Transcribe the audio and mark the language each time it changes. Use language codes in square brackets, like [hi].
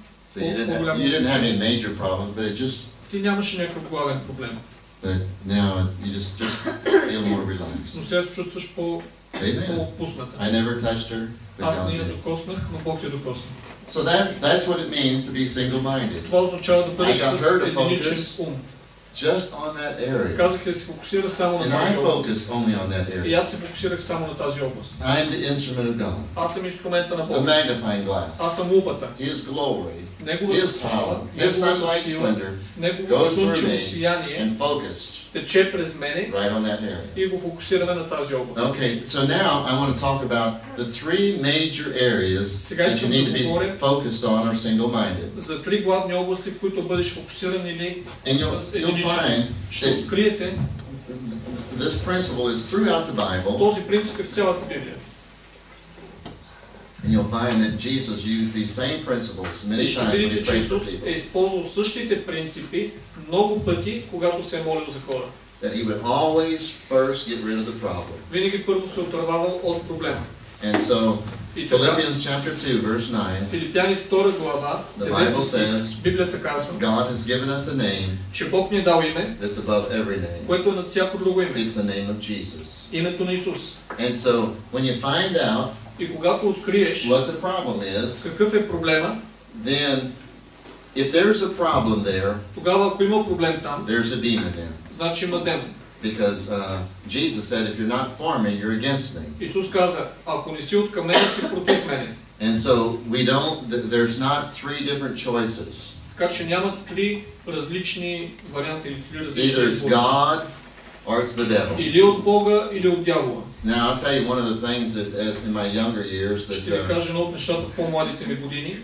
[en] So you didn't have any major problem, but it just... [bg] Ти нямаше някакъв главен проблем. [en] But now you just feel more relaxed. [bg] Но сега се чувстваш по-отпусната. [en] I never touched her, but [bg] аз не я докоснах, но Бог я докосна. [en] So that's what it means to be single-minded. [bg] Това означава да бъдеш с единичен ум. [en] Just on that area. [bg] Казах да се фокусира само на тази област. [en] Only on that area. [bg] И аз се фокусирах само на тази област. [en] I am the instrument of God. [bg] Аз съм инструмента на Бог. [en] The magnifying glass. [bg] Аз съм лупата. [en] His glory. [bg] Неговата слава. [en] His sunlight splendor. [bg] Неговото слънчево сияние. [en] And focused. [bg] Тече през мене. [en] Right on that area. [bg] И го фокусираме на тази област. [en] Okay, so now I want to talk about the three major areas that you need to be focused on or single-minded. [bg] За три главни области, в които бъдеш фокусиран или с [en] This principle is throughout the Bible. [bg] Този принцип е в цялата Библия. [en] And you'll find that Jesus used these same principles many times when he prayed for people. [bg] Исус е използвал същите принципи много пъти, когато се е молил за хора. [en] that he would always first get rid of the problem. [bg] Винаги първо се отървавал от проблема. [en] And so, Philippians chapter 2, verse 9, [bg] Филипяни 2 глава, [en] the Bible says, [bg] Библията казва, [en] God has given us a name, [bg] че Бог ни е дал име, [en] that's above every name, [bg] което е над всяко друго име. [en] It's the name of Jesus. [bg] Името на Исус. [en] And so, when you find out, [bg] и когато откриеш, [en] what the problem is, [bg] какъв е проблема, [en] then, if there's a problem there, [bg] тогава ако има проблем там, [en] there's a demon there. [bg] Значи има демон. [en] Because Jesus said, if you're not for me, you're against me. [bg] Исус каза, ако не си откъм мене, си против мене. [en] And so we don't, there's not three different choices. [bg] Така че няма три различни варианти или три различни. [en] Either it's God or it's the devil. [bg] Или от Бога, или от дявола. [en] Now I'll tell you one of the things that as in my younger years that [bg] ще ви кажа едно от нещата в по-младите ми години.